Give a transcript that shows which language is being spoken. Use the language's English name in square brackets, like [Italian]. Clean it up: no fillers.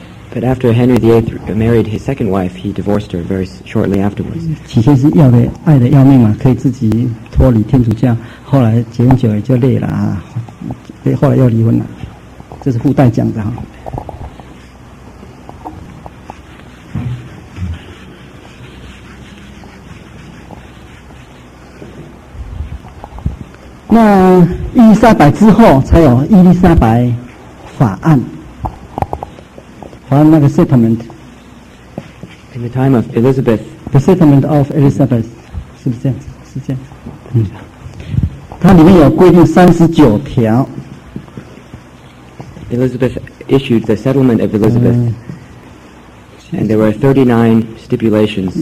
[English] But after Henry VIII married his second wife, he divorced her very shortly afterwards. [Chinese] 起先是要的爱的要命嘛，可以自己脱离天主教，后来结婚久了就累了啊，后来要离婚了，这是附带讲的哈。那伊丽莎白之后才有伊丽莎白法案。还那个 settlement. [English] In the time of Elizabeth. The settlement of Elizabeth. [Chinese] 是不是这样？是这样。嗯。它里面有规定39条。 [English] Elizabeth issued the settlement of Elizabeth. And there were 39 stipulations.